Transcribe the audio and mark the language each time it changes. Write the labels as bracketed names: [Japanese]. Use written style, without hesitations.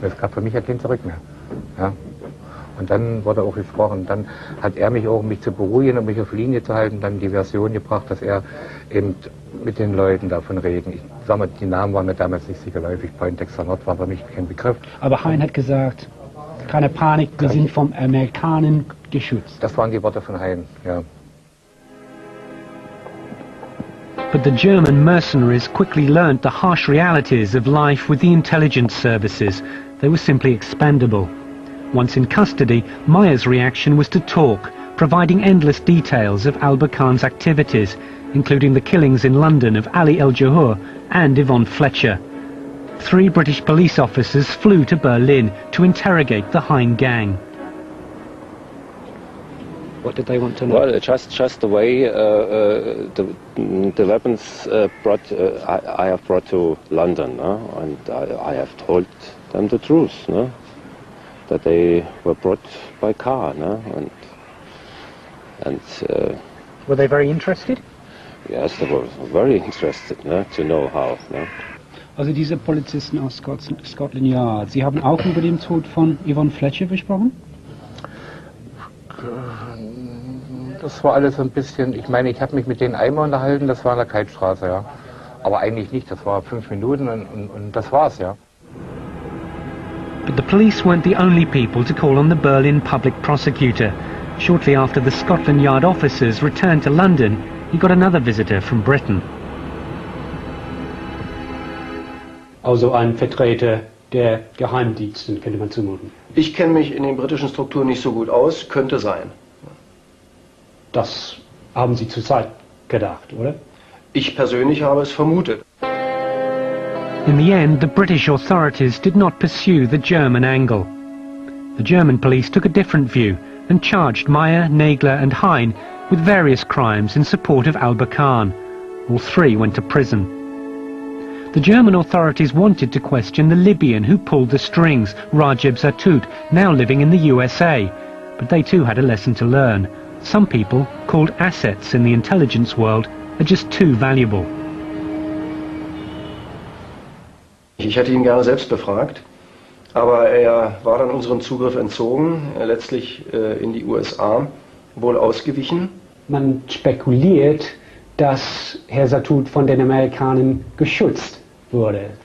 [German] Es gab für mich ja kein Zurück mehr. Ja. Und dann wurde auch gesprochen, dann hat er mich auch, um mich zu beruhigen und mich auf Linie zu halten, dann die Version gebracht, dass er eben mit den Leuten davon reden. Ich sag mal, die Namen waren mir damals nicht sehr geläufig, Poindexter Nord war für mich kein Begriff. Aber Hein hat gesagt, keine Panik, wir sind vom Amerikanen geschützt. Das waren die Worte von Hein, ja. [English] But the German mercenaries quickly learned the harsh realities of life with the intelligence services. They were simply expendable. Once in custody, Meyer's reaction was to talk, providing endless details of Albert Kahn's activities, including the killings in London of Ali El-Jahour and Yvonne Fletcher. Three British police officers flew to Berlin to interrogate the Hein gang. What did they want to know? Well, just the way the weapons I have brought to London, no? And I have told them the truth, no? That they were brought by car, no? And And were they very interested? Yes, they were very interested, ne, to know how. Ne? [German] Also diese Polizisten aus Scotland Yard, Sie haben auch über den Tod von Yvonne Fletcher gesprochen? Das war alles ein bisschen, ich meine, ich habe mich mit denen einmal unterhalten, das war an der Kaltstraße, ja. Aber eigentlich nicht, das war 5 Minuten und das war's, ja. [English] But the police weren't the only people to call on the Berlin public prosecutor. Shortly after the Scotland Yard officers returned to London, he got another visitor from Britain. [German] Also ein Vertreter der Geheimdienste, könnte man zumuten. Ich kenne mich in den britischen Strukturen nicht so gut aus, könnte sein. Das haben Sie zurzeit gedacht, oder? Ich persönlich habe es vermutet. [English] In the end, the British authorities did not pursue the German angle. The German police took a different view and charged Meyer, Nagler and Hein with various crimes in support of Alba Khan. All three went to prison. The German authorities wanted to question the Libyan who pulled the strings, Rajib Zatout, now living in the USA. But they too had a lesson to learn. Some people, called assets in the intelligence world, are just too valuable. [German] Ich hätte ihn gerne selbst befragt, aber er war dann unserem Zugriff entzogen, letztlich in die USA, wohl ausgewichen. Man spekuliert, dass Herr Zatout von den Amerikanern geschützt wurde.